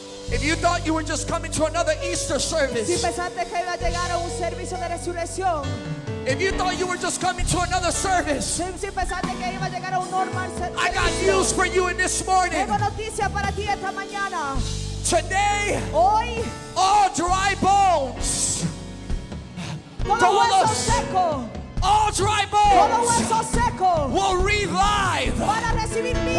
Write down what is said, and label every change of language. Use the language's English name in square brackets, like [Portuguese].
[English] If you thought you were just coming to another Easter service, [Spanish] si pensaste que iba a llegar a un servicio de resurrección, [English] if you thought you were just coming to another service, [Spanish] si pensaste que iba a llegar a un normal servicio, [English] I got news for you in this morning. [Spanish] Tengo noticia para ti esta mañana. [English] Today, [Spanish] hoy, [English] all dry bones, [Spanish] todo hueso seco, [English] all dry bones, [Spanish] todo hueso seco, [English] will revive, [Spanish] para recibir vida,